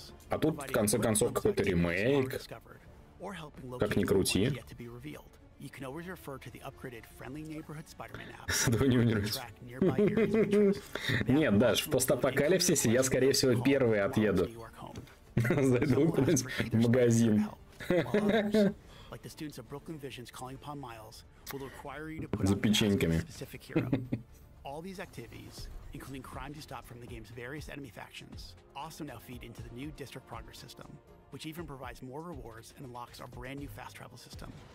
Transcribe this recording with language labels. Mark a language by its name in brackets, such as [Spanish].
[Russian] А тут, в конце концов, какой-то ремейк, как ни крути. [English] You can always refer to the upgraded friendly neighborhood Spider-Man app. [Russian] Да не умирать. Нет, Даш, в постапокалипсисе я, скорее всего, первый отъеду. Зайду куда-нибудь в магазин. [English] Like the students of Brooklyn Visions calling upon Miles will require you to put up a specific hero. All these activities, including crime to stop from the game's various enemy factions, also now feed into the new district progress system, which even provides more rewards and unlocks our brand new fast travel system.